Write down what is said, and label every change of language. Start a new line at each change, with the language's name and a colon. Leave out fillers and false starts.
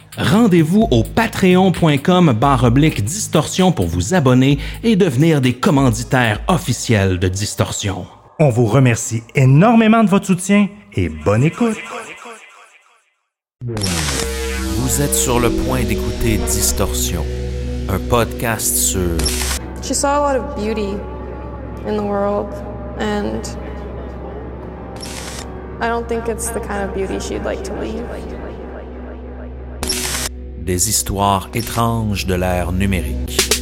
French: Rendez-vous au patreon.com/distorsion pour vous abonner et devenir des commanditaires officiels de Distorsion. On vous remercie énormément de votre soutien et bonne écoute. Vous êtes sur le point d'écouter Distorsion, un podcast sur...
English: She saw a lot of beauty in the world and I don't think it's the kind of beauty she'd like to leave.
French: Des histoires étranges de l'ère numérique.